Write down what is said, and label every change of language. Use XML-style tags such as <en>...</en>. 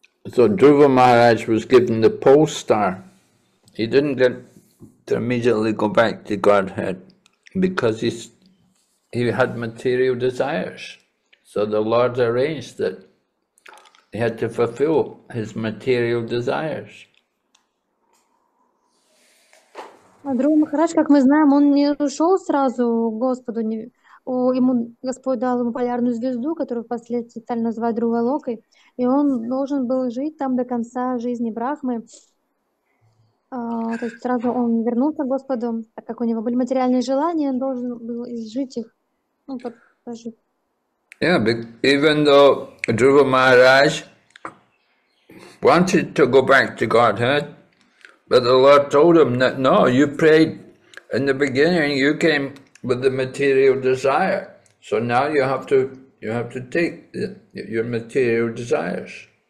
<en>So Dhruva Maharaj was given the pole star. He didn't get to immediately go back to Godhead because he had material desires. So the Lord arranged that he had to fulfill his material desires.</en> <ru>Дхрува Махарадж, как мы знаем, он не ушел сразу к Господу. Ему Господь дал ему полярную звезду, которую впоследствии стали называть Дхрува Локой, и он должен был жить там до конца жизни Брахмы. То есть сразу он вернулся к Господу, так как у него были материальные желания, он должен был изжить их.</ru> <en>Yeah, even though Dhruva Maharaj wanted to go back to Godhead, but the Lord told him that, no, you prayed in the beginning, you came with the material desire. So now you have to take your material desires.</en>